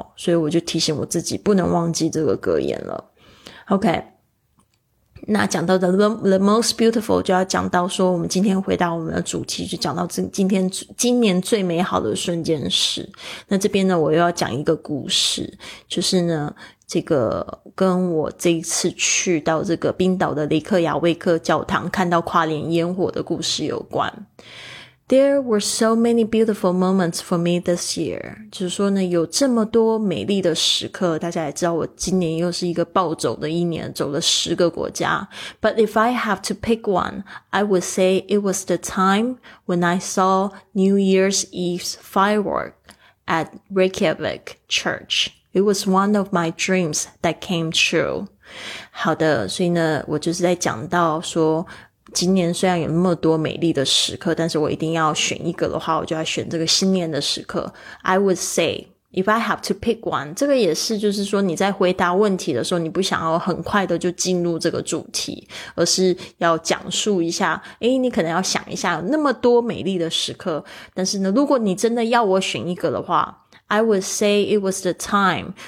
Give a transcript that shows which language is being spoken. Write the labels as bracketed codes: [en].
[zh] 所以我就提醒我自己不能忘记这个格言了。OK， 那讲到 [en] the most beautiful [zh] 就要讲到说我们今天回到我们的主题，就讲到今年最美好的瞬间是，那这边呢我又要讲一个故事，就是呢这个跟我这一次去到这个冰岛的雷克雅未克教堂看到跨年烟火的故事有关。 [en] There were so many beautiful moments for me this year. [zh] 就是说呢，有这么多美丽的时刻，大家也知道我今年又是一个暴走的一年，走了十个国家。 [en] But if I have to pick one, I would say it was the time when I saw New Year's Eve's firework at Reykjavik Church. It was one of my dreams that came true. [zh] 好的，所以呢，我就是在讲到说今年虽然有那么多美丽的时刻，但是我一定要选一个的话，我就要选这个新年的时刻。 [en] I would say if I have to pick one， [zh] 这个也是就是说你在回答问题的时候，你不想要很快的就进入这个主题，而是要讲述一下，诶，你可能要想一下有那么多美丽的时刻，但是呢，如果你真的要我选一个的话， [en] I would say it was the time.